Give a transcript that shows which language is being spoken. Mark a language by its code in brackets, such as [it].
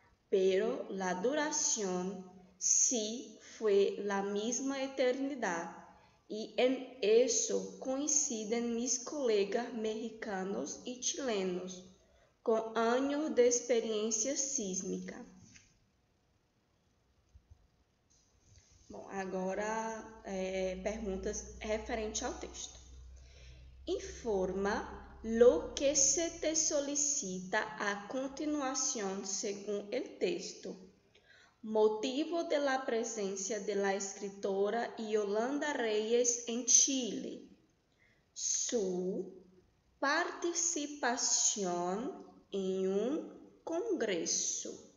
[es] Pero la duración sí fue la misma eternidad, y en eso coinciden mis colegas mexicanos y chilenos con años de experiencia sísmica. [pt] Bom, agora perguntas referentes ao texto. [es] Informa lo que se te solicita a continuación según el texto. Motivo de la presencia de la escritora Yolanda Reyes en Chile. Su participación en un congreso.